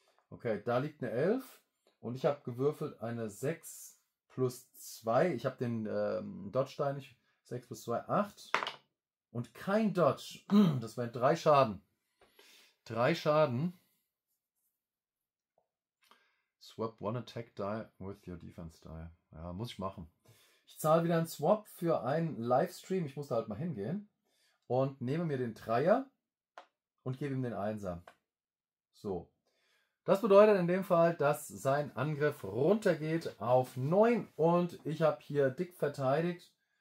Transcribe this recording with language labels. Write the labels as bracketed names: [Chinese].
[German] Okay, da liegt eine 11 und ich habe gewürfelt eine 6 plus 2. Ich habe den Dodge-Stein nicht. 6 plus 2, 8. Und kein Dodge. Das wären 3 Schaden. 3 Schaden. [English] Swap one attack die with your defense die. [German] Ja, muss ich machen. Ich zahle wieder einen Swap für einen Livestream. Ich muss da halt mal hingehen. Und nehme mir den Dreier und gebe ihm den Einser. So. Das bedeutet in dem Fall, dass sein Angriff runtergeht auf 9 und ich habe hier dick verteidigt.